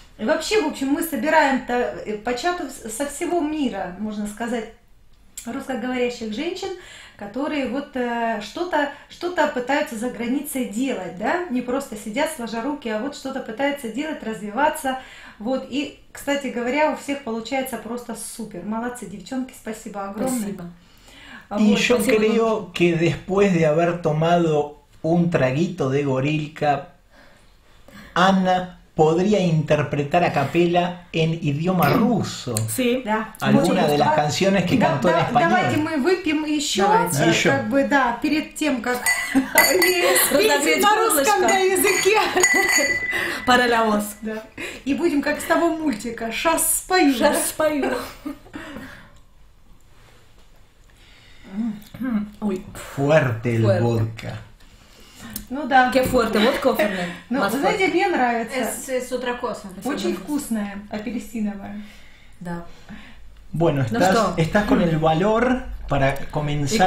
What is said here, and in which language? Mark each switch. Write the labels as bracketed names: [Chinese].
[Russian] И вообще, в общем, мы собираем-то по чату со всего мира, можно сказать, русскоговорящих женщин, которые вот что-то пытаются за границей делать, да, не просто сидят сложа руки, а вот что-то пытаются делать, развиваться, вот, и, кстати говоря, у всех получается просто супер, молодцы, девчонки, спасибо огромное. Спасибо. Вот, и еще спасибо, [Spanish] creo que después de haber tomado un traguito de Gorilka, Анна podría interpretar a capella en idioma ruso. Sí, [Russian] да. [Spanish] Alguna de las canciones que cantó en español. [Russian] Давайте мы выпьем еще, еще. Как бы, да, перед тем, как петь на русском языке. [Spanish] Para la voz. [Russian] Да. И будем как с того мультика. Сейчас спою. Сейчас спою. [Spanish] Fuerte el vodka. [Russian] Ну да. [Spanish] Qué fuerte, [Russian] вот кофе. Ну, знаете, мне нравится. [Spanish] Es otra cosa. [Russian] Очень вкусная, апельсиновая. Да. [Spanish] Bueno, estás con el valor para comenzar